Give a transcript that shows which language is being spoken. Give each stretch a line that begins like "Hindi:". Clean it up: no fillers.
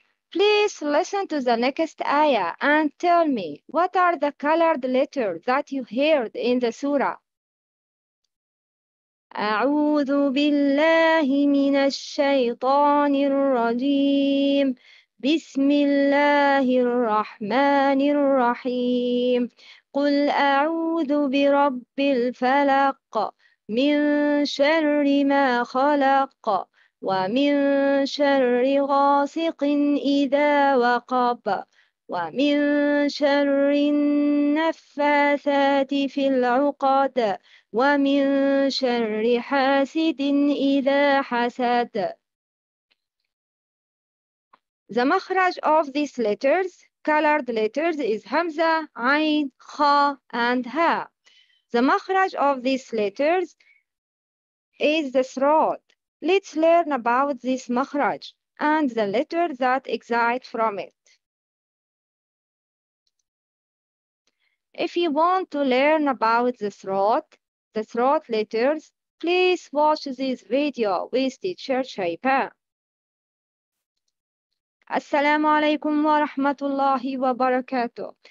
English: Please listen to the next ayah and tell me, what are the colored letters that you heard in the surah?
Arabic: أعوذ بالله من الشيطان الرجيم. بسم الله الرحمن الرحيم. قل أعوذ برب الفلق من شر ما خلق ومن شر غاسق إذا وقب ومن شر النفاثات في العقد ومن شر حاسد إذا حسد.
English: The مخرج of these letters, colored letters, is Hamza, Ain, Kha, and Ha. The مخرج of these letters is the throat. Let's learn about this مخرج and the letters that exit from it. If you want to learn about the throat letters, please watch this video with teacher Shaipa.
Arabic: السلام عليكم ورحمة الله وبركاته.